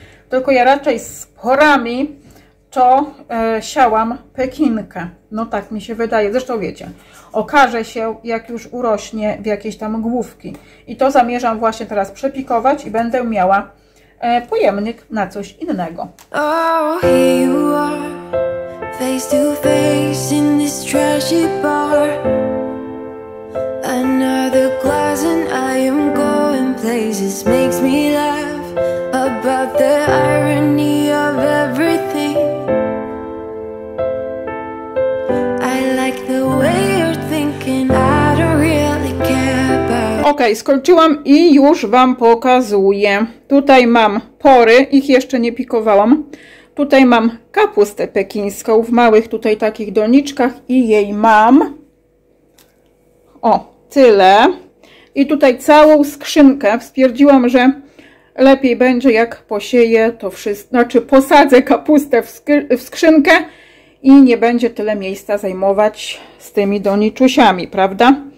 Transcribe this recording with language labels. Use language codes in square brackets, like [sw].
[pl] Tylko ja raczej z porami to siałam pekinkę. No tak mi się wydaje. Zresztą wiecie, okaże się, jak już urośnie w jakieś tam główki. I to zamierzam właśnie teraz przepikować i będę miała pojemnik na coś innego. [en] Oh, here you are, face to face in this trashy bar. Another glass and I am going places. Makes me laugh about the irony of everything. I like the way you're thinking. I don't really care about. [pl] Ok, skończyłam i już Wam pokazuję. Tutaj mam pory, ich jeszcze nie pikowałam. Tutaj mam kapustę pekińską w małych tutaj takich doniczkach i jej mam. O, tyle. I tutaj całą skrzynkę. Stwierdziłam, że lepiej będzie, jak posieję to wszystko, znaczy posadzę kapustę w skrzynkę i nie będzie tyle miejsca zajmować z tymi doniczusiami, prawda?